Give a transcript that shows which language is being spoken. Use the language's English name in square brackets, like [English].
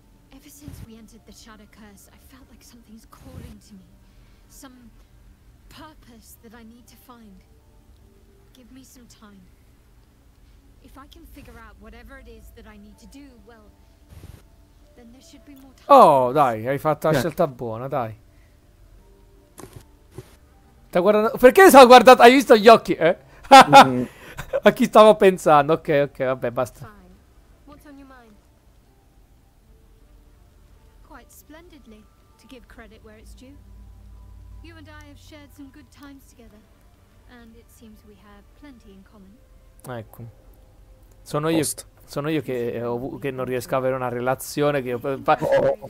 [English] Ever since we entered the Shadow Curse, I felt like something's calling to me. Some purpose that I need to find. give me some time. If I can figure out whatever it is that I need to do, well, then there should be more time. [Italian] Oh, dai, hai fatto la scelta buona, dai. Sta guardando... Perché sono guardato? Hai visto gli occhi, eh? A chi stavo pensando? Ok, ok, vabbè, basta. [English] What's on your mind? Quite splendidly, to give credit where it's due. You and I have shared some good times together, and it seems we have plenty in common. [Italian] Ecco. Sono io che non riesco a avere una relazione che io...